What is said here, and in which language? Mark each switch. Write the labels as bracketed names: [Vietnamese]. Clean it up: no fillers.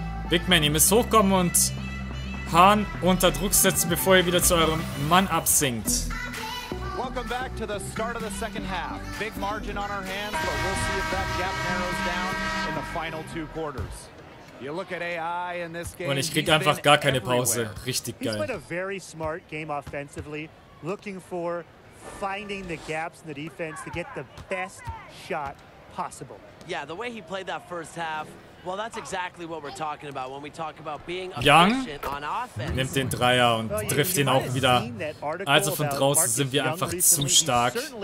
[German] Big Man, ihr müsst hochkommen und Hahn unter Druck setzen, bevor ihr wieder zu eurem Mann absinkt. [English] Welcome back to the start of the second half. Big margin on our hands, but we'll see if that gap narrows down in the final two quarters. You look at AI in this game. [German] Und ich krieg einfach gar keine Pause. Richtig geil. [English] He's played a very smart game offensively, looking for finding the gaps in the defense to get the best shot possible. Yeah, the way he played that first half. Well, that's exactly what we're talking about when we talk about being Young on offense. [German] Nimmt den Dreier und trifft ihn auch wieder. Also von draußen sind wir einfach zu stark.